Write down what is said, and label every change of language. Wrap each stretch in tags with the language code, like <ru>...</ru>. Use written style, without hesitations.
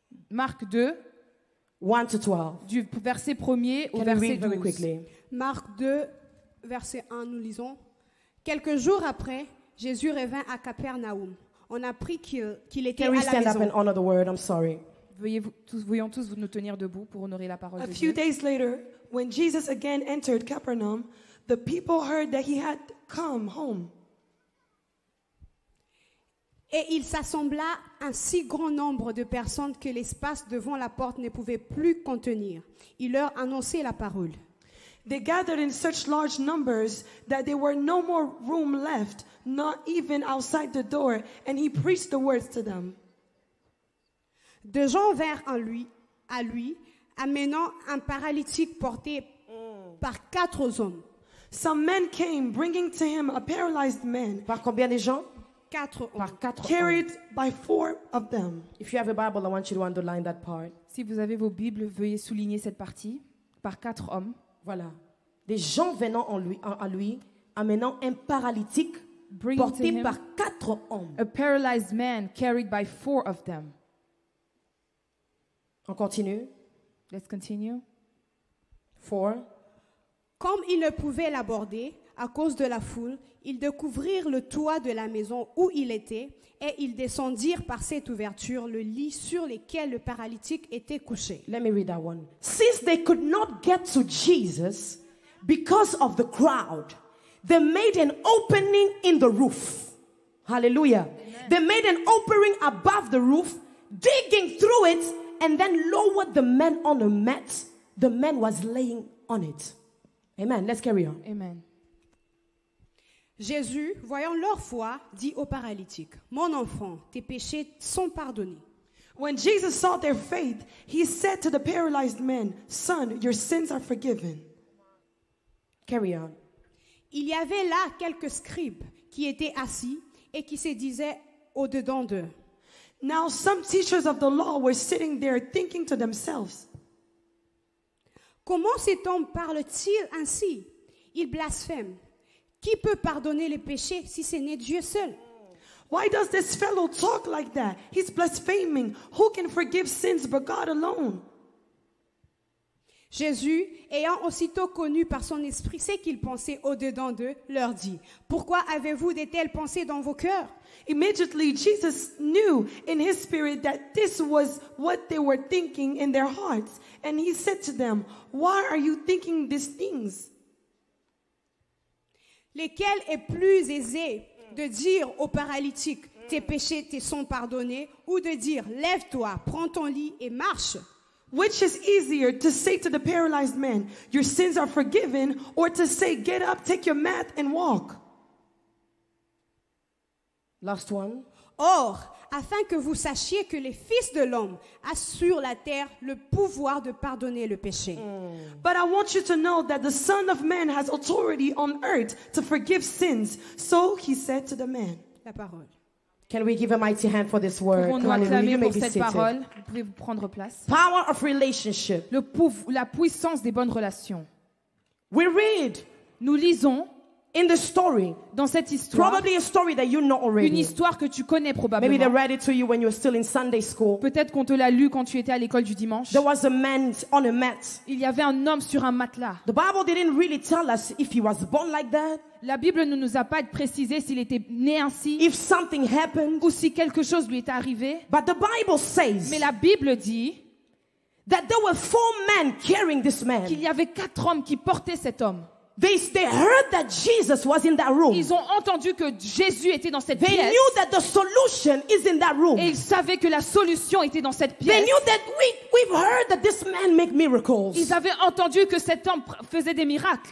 <fr>Marc 2.</fr> <en>1 to 12.</en> <fr>Du verset 1er au verset 12. Marc 2, verset 1, nous lisons. Quelques jours après, Jésus revint à Capernaüm. On apprit qu'il était à la maison.</fr> <en>Can we stand up and honor the word? I'm sorry.</en> <fr>Voyons tous nous tenir debout pour honorer la parole de Dieu.</fr> <en>A few days later, when Jesus again entered Capernaüm, the people heard that he had come home.</en> <fr>Et il s'assembla un si grand nombre de personnes que l'espace devant la porte ne pouvait plus contenir. Il leur annonçait la parole.</fr> <en>They gathered in such large numbers that there were no more room left, not even outside the door, and he preached the words to them.</en> <fr>Des gens vinrent à lui, amenant un paralytique porté par quatre hommes.</fr> <en>Some men came bringing to him a paralyzed man.</en> <fr>Par combien de gens? Quatre par quatre</fr> <en>carried</en> <fr>hommes.</fr> <en>By four of them. If you have a Bible, I want you to underline that part.</en> <fr>Si vous avez vos Bibles, veuillez souligner cette partie. Par quatre hommes. Voilà. Des gens venant en lui, à lui, amenant un paralytique bring porté par quatre hommes.</fr> <en>A paralyzed man carried by four of them.</en> <fr>On continue.</fr> <en>Let's continue. Four.</en> <fr>Comme ils ne pouvaient l'aborder à cause de la foule, ils découvrirent le toit de la maison où il était et ils descendirent par cette ouverture le lit sur lequel le paralytique était couché.</fr> <en>Let me read that one. Since they could not get to Jesus because of the crowd, they made an opening in the roof. Hallelujah. Amen. They made an opening above the roof, digging through it, and then lowered the man on a mat. The man was laying on it. Amen. Let's carry on. Amen.</en> <fr>Jésus, voyant leur foi, dit au paralytique, « Mon enfant, tes péchés sont pardonnés. »</fr> <en>When Jesus saw their faith, he said to the paralyzed man, « Son, your sins are forgiven. » Carry on.</en> <fr>Il y avait là quelques scribes qui étaient assis et qui se disaient au-dedans d'eux.</fr> <en>Now some teachers of the law were sitting there thinking to themselves,</en> <fr>« Comment cet homme parle-t-il ainsi ? Il blaspheme. » Qui peut pardonner les péchés si ce n'est Dieu seul?</fr> <en>Why does this fellow talk like that? He's blaspheming. Who can forgive sins but God alone?</en> <fr>Jésus, ayant aussitôt connu par son esprit ce qu'ils pensaient au-dedans d'eux, leur dit, pourquoi avez-vous de telles pensées dans vos cœurs?</fr> <en>Immediately, Jesus knew in his spirit that this was what they were thinking in their hearts. And he said to them, why are you thinking these things?</en> <fr>Lesquels est plus aisé de dire au paralytique, tes péchés te sont pardonnés, ou de dire, lève-toi, prends ton lit et marche?</fr> <en>Which is easier, to say to the paralyzed man, your sins are forgiven, or to say, get up, take your mat and walk? Last one.</en> <fr>Or, afin que vous sachiez que les fils de l'homme assurent la terre le pouvoir de pardonner le péché.</fr> <en>But I want you to know that the Son of Man has authority on earth to forgive sins. So he said to the man.</en> <fr>La parole.</fr> <en>Can we give a mighty hand for this word?</en> <fr>Vous pouvez vous prendre place.</fr> <en>Power of relationship.</en> <fr>La puissance des bonnes relations.</fr> <en>We read.</en> <fr>Nous lisons.</fr> <en>In the story,</en> <fr>dans cette histoire,</fr> <en>probably a story that you know already.</en> <fr>Une histoire que tu connais probablement.</fr> <en>Maybe they read it to you when you were still in Sunday school.</en> <fr>Peut-être qu'on te l'a lu quand tu étais à l'école du dimanche.</fr> <en>There was a man on a mat.</en> <fr>Il y avait un homme sur un matelas.</fr> <en>The Bible didn't really tell us if he was born like that.</en> <fr>La Bible ne nous a pas précisé s'il était né ainsi.</fr> <en>If something happened.</en> <fr>Ou si quelque chose lui est arrivé.</fr> <en>But the Bible says.</en> <fr>Mais la Bible dit.</fr> <en>That there were four men carrying this man.</en> <fr>Qu'il y avait quatre hommes qui portaient cet homme.</fr> <en>They heard that Jesus was in that room.</en> <fr>Ils ont entendu que Jésus était dans cette</fr> <en>they</en> <fr>pièce.</fr> <en>They knew that the solution is in that room.</en> <fr>Et ils savaient que la solution était dans cette pièce.</fr> <en>They knew that we've heard that this man make miracles.</en> <fr>Ils avaient entendu que cet homme faisait des miracles.</fr>